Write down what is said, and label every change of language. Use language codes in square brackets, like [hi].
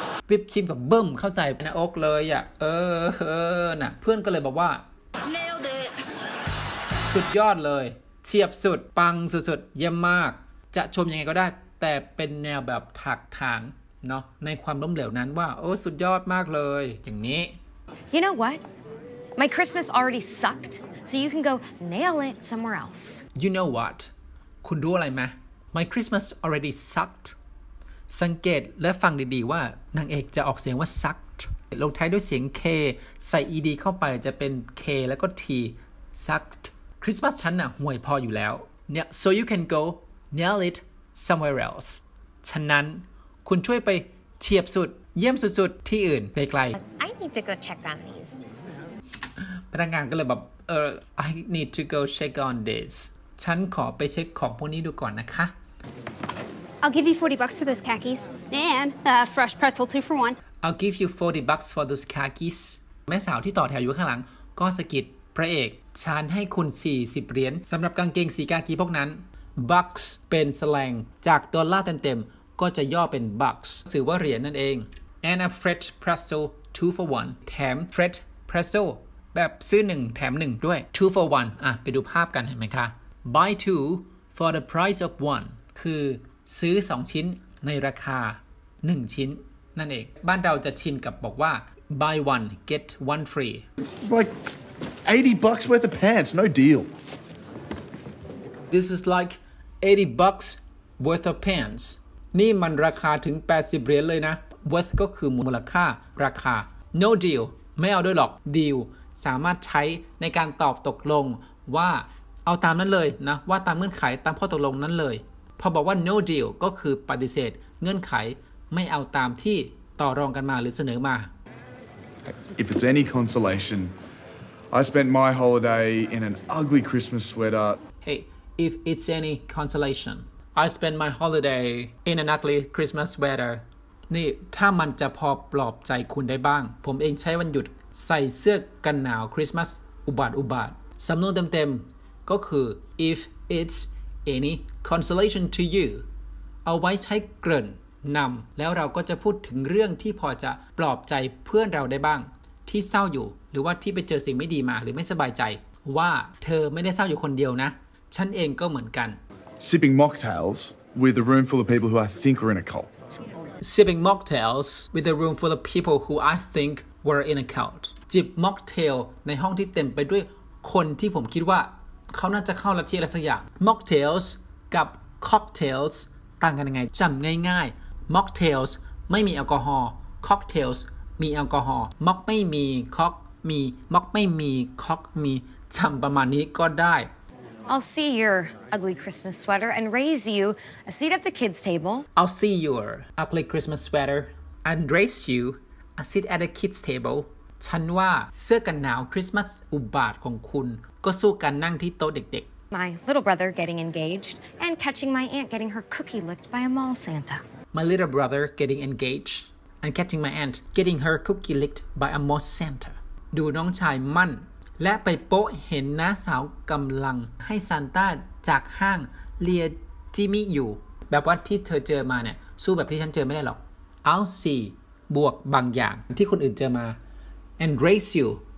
[th] วิปครีมกับเบิ้มเข้าใส่ในอกเลยอ่ะนะเพื่อนก็เลยบอกว่า [en] Nailed it [th] สุดยอดเลยเฉียบสุดปังสุดๆเยี่ยมมากจะชมยังไงก็ได้แต่เป็นแนวแบบถักถางเนาะในความล้มเหลวนั้นว่าโอ้สุดยอดมากเลยอย่างนี้ [en] You know what? My Christmas already sucked so you can go nail it somewhere else You know what? [th] คุณรู้อะไรไหม [en] My Christmas already sucked [th] สังเกตและฟังดีๆว่านางเอกจะออกเสียงว่า sucked ลงท้ายด้วยเสียง k ใส่ ed เข้าไปจะเป็น k แล้วก็ t sucked Christmas ฉันน่ะห่วยพออยู่แล้วเนี่ย [en] so you can go nail it somewhere else [th] ฉะนั้นคุณช่วยไปเฉียบสุดเยี่ยมสุดๆที่อื่นไกลๆ [en] I need to go check on these [th] พนักงานก็เลยแบบ [en] I need to go check on this [th] ฉันขอไปเช็คของพวกนี้ดูก่อนนะคะ [en] I'll give you 40 bucks for those khakis and fresh pretzel 2 for 1 I'll give you 40 bucks for those khakis [th] แม่สาวที่ต่อแถวอยู่ข้างหลังก็สะกิดพระเอกฉันให้คุณ40เหรียญสำหรับกางเกงสีกากีพวกนั้น bucks เป็นสแลงจากดอลลาร์เต็มก็จะย่อเป็น bucks สื่อว่าเหรียญนั่นเอง [en] and a fresh pretzel 2 for 1 [th] แถม fresh pretzel แบบซื้อ1แถม1ด้วย 2 for 1 อ่ะไปดูภาพกันเห็นไหมคะ [en] buy 2 for the price of 1 [th] คือซื้อ2ชิ้นในราคา1ชิ้นนั่นเองบ้านเราจะชินกับบอกว่า buy 1 get 1 free [en] like 80 bucks worth of pants no deal this is like 80 bucks worth of pants [th] นี่มันราคาถึง80เหรียญเลยนะ worth ก็คือมูลค่าราคา no deal ไม่เอาด้วยหรอก deal สามารถใช้ในการตอบตกลงว่าเอาตามนั้นเลยนะว่าตามเงื่อนไขตามข้อตกลงนั้นเลยพอบอกว่า no deal ก็คือปฏิเสธเงื่อนไขไม่เอาตามที่ต่อรองกันมาหรือเสนอมา [en] if it's any consolation I spent my holiday in an ugly Christmas sweater hey if it's any consolationI spend my holiday in an ugly Christmas sweater. [th] นี่ถ้ามันจะพอปลอบใจคุณได้บ้างผมเองใช้วันหยุดใส่เสื้อกันหนาวคริสต์มาสอุบาทสำนวนเต็มๆก็คือ [en] if it's any consolation to you [th] เอาไว้ใช้เกริ่นนำแล้วเราก็จะพูดถึงเรื่องที่พอจะปลอบใจเพื่อนเราได้บ้างที่เศร้าอยู่หรือว่าที่ไปเจอสิ่งไม่ดีมาหรือไม่สบายใจว่าเธอไม่ได้เศร้าอยู่คนเดียวนะฉันเองก็เหมือนกัน [en] Sipping mocktails with a room full of people who I think were in a cult. Sipping mocktails with a room full of people who I think were in a cult. [th] จิบม็อกเทลในห้องที่เต็มไปด้วยคนที่ผมคิดว่าเขาน่าจะเข้าลัทธิอะไรสักอย่าง Mocktails กับ cocktails ต่างกันยังไงจำง่ายๆ Mocktails ไม่มีแอลกอฮอล์ Cocktails มีแอลกอฮอล์ Mock ไม่มี Cock มี Mock ไม่มี Cock มีจำประมาณนี้ก็ได้ [en] I'll see your ugly Christmas sweater and raise you a seat at the kids' table. I'll see your ugly Christmas sweater and raise you a seat at the kids' table. [th] ฉันว่าเสื้อกันหนาวคริสต์มาสอุบาทของคุณก็สู้การนั่งที่โต๊ะเด็ก [en] ๆ My little brother getting engaged and catching my aunt getting her cookie licked by a mall Santa. My little brother getting engaged and catching my aunt getting her cookie licked by a mall Santa. [th] ดูน้องชายมั่นและไปโป๊ะเห็นน้าสาวกำลังให้ซานต้าจากห้างเลียจิมมี่อยู่แบบว่าที่เธอเจอมาเนี่ยสู้แบบที่ฉันเจอไม่ได้หรอก I'll see บวกบางอย่างที่คนอื่นเจอมา [en] and raise you